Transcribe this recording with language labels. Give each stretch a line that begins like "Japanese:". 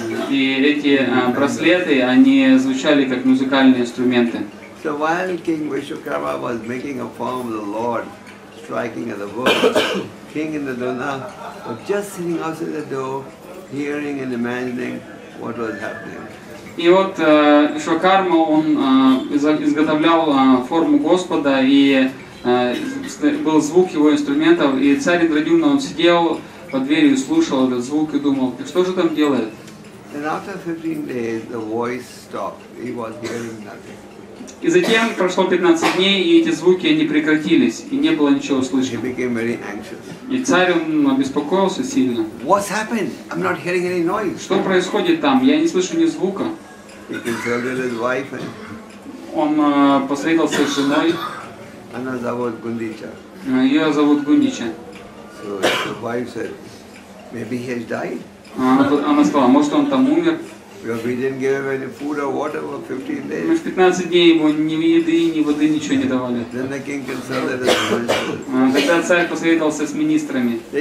Russian: И эти браслеты, они звучали как музыкальные инструменты.
English: So while King Vishwakarma was making a form of the Lord, striking at the wood, King Indradyumna was just sitting outside the door, hearing and imagining what was happening.
Russian: И вот Вишвакарма, он изготовлял форму Господа, и был звук его инструментов, и царь Индрадюмна, он сидел под дверью, слушал этот звук и думал, что же там делает?
English: And after 15 days, the voice stopped. He was hearing nothing.
Russian: И затем прошло 15 дней, и эти звуки не прекратились, и не было ничего слышно.
English: He became very anxious.
Russian: И царь, он обеспокоился сильно.
English: What's happened? I'm not hearing any noise.
Russian: Что происходит там? Я не слышу ни звука.
English: He consulted his wife. And...
Russian: Он посоветовался с женой. Она зовут Гундича. Ее зовут Гундича. So his wife said, maybe he has died. Она сказала, может, он там умер. Мы в 15 дней ему ни еды, ни воды, ничего не давали. Тогда царь посоветовался с министрами.